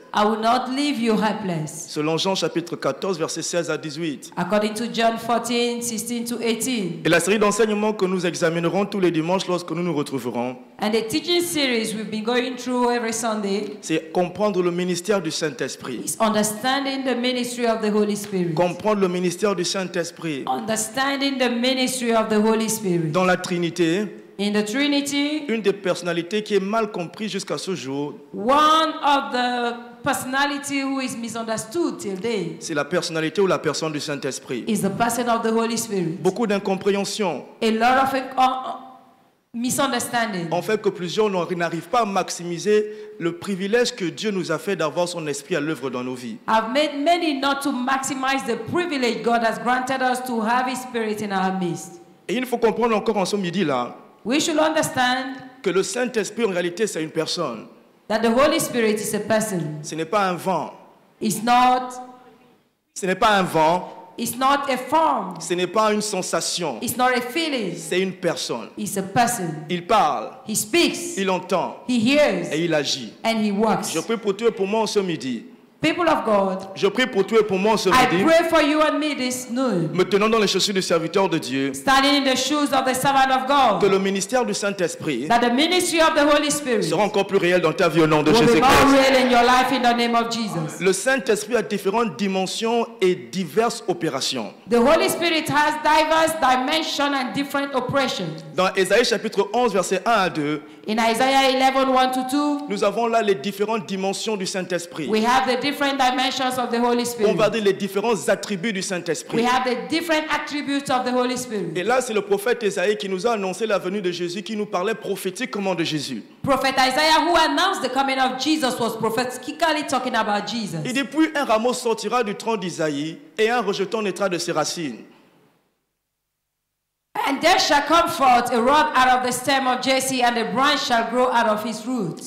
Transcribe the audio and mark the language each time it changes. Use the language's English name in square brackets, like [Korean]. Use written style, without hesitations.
[English] I will not leave you helpless. [French] Selon Jean chapitre 14 verset 16 à 18. [English] According to John 14, 16 to 18. [French] Et la série d'enseignements que nous examinerons tous les dimanches lorsque nous nous retrouverons. [English] And the teaching series we've been going through every Sunday. [French] C'est comprendre le ministère du Saint-Esprit. [English] It's understanding the ministry of the Holy Spirit. [French] Comprendre le ministère du Saint-Esprit. [English] Understanding the ministry of the Holy Spirit. [French] Dans la Trinité. [English] In the Trinity, [French] une des personnalités qui est mal comprise jusqu'à ce jour, [English] one of the personality who is misunderstood till day, [French] c'est la personnalité ou la personne du Saint-Esprit. [English] Is the person of the Holy Spirit. [French] Beaucoup d'incompréhension. [English] A lot of misunderstanding. [French] En fait, que plusieurs n'arrivent pas à maximiser le privilège que Dieu nous a fait d'avoir son esprit à l'œuvre dans nos vies. [English] I've made many not to maximize the privilege God has granted us to have his spirit in our midst. [French] Et il faut comprendre encore en ce midi là que le Saint-Esprit en réalité c'est une personne. [English] That the Holy Spirit is a person. [French] Ce n'est pas un vent. [English] It's not. [French] Ce n'est pas un vent. [English] It's not a form. [French] Ce n'est pas une sensation. [English] It's not a feeling. [French] C'est une personne. [English] It's a person. [French] Il parle. [English] He speaks. [French] Il entend. [English] He hears. [French] Et il agit. [English] And he works. [French] Je prie pour toi et pour moi en ce midi. [English] People of God, [French] je prie pour toi et pour moi ce midi. [English] I pray for you and me this noon. [French] Me tenant dans les chaussures du serviteur de Dieu. [English] Standing in the shoes of the servant of God. [French] Que le ministère du Saint-Esprit, [English] that the ministry of the Holy Spirit, [French] sera encore plus réel dans ta vie au nom de Jésus-Christ. [English] Will be more real in your life in the name of Jesus. [French] Le Saint-Esprit a différentes dimensions et diverses opérations. [English] The Holy Spirit has diverse dimensions and different operations. [French] Dans Ésaïe chapitre 11 verset 1 à 2. [English] In Isaiah 11, 1 to 2. [French] Nous avons là les différentes dimensions du Saint-Esprit. [English] We have the different dimensions of the Holy Spirit. [French] On va dire les différents attributs du Saint-Esprit. [English] We have the different attributes of the Holy Spirit. [French] Et là, c'est le prophète Isaïe qui nous a annoncé la venue de Jésus, qui nous parlait prophétiquement de Jésus. [English] Prophet Isaiah, who announced the coming of Jesus, was prophetically talking about Jesus. [French] Il dit, puis un rameau sortira du tronc d'Isaïe, et un rejeton naîtra de ses racines. [English] And there shall come forth a rod out of the stem of Jesse, and a branch shall grow out of his roots.